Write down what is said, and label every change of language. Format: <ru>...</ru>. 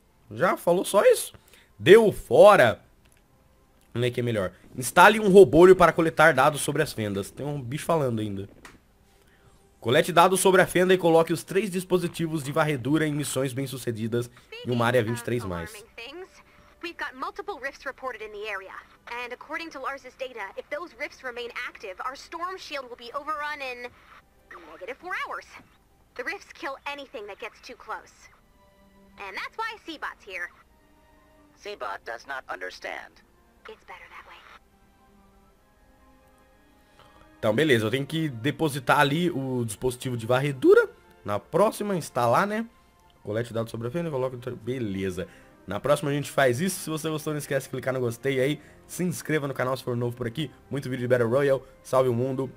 <pt>Já falou só isso? Deu fora. Né, que é melhor. Instale um robolho para coletar dados sobre as fendas. Tem um bicho falando ainda. Colete dados sobre a fenda e coloque os 3 dispositivos de varredura em missões bem-sucedidas em uma área 23+.</pt> <en>We've got multiple rifts reported in the area. And according to Lars's data, if those rifts remain active, our storm shield will be overrun in -4 hours. The rifts kill anything that gets too close. And that's why C-Bot's here. C-Bot does not understand.</en> <pt>Então, beleza. Eu tenho que depositar ali o dispositivo de varredura. Na próxima, instalar, né? Colete dados sobre a fenda e coloca... Beleza. Na próxima a gente faz isso. Se você gostou, não esquece de clicar no gostei aí. Se inscreva no canal se for novo por aqui. Muito vídeo de Battle Royale. Salve o Mundo.</pt>